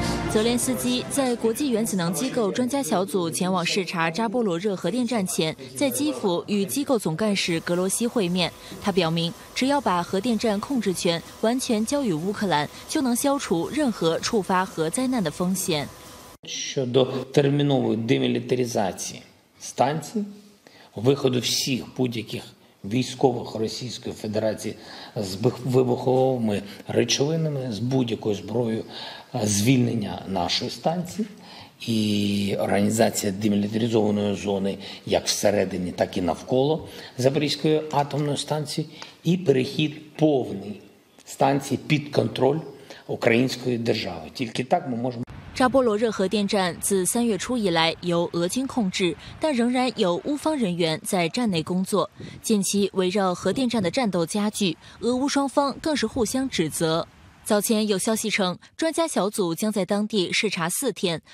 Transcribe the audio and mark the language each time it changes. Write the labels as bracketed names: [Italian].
[Chinese] 泽连斯基在国际原子能机构专家小组前往视察扎波罗热核电站前，在基辅与机构总干事格罗西会面。他表明，只要把核电站控制权完全交予乌克兰，就能消除任何触发核灾难的风险。 [Ukrainian] Щодо термінової демілітаризації станції, виходу всіх будь-яких військових Російської Федерації з вибуховими речовинами, з будь-якою зброєю. Звільнення нашої станції і організація демілітаризованої зони як всередині, так і навколо Запорізької атомної станції і перехід повний станції під контроль української держави. Тільки так ми можемо. [Chinese] 扎波罗热核电站自3月初以来由俄军控制，但仍然有乌方人员在站内工作。近期围绕核电站的战斗加剧，俄乌双方更是互相指责。早前有消息称，专家小组将在当地视察4天。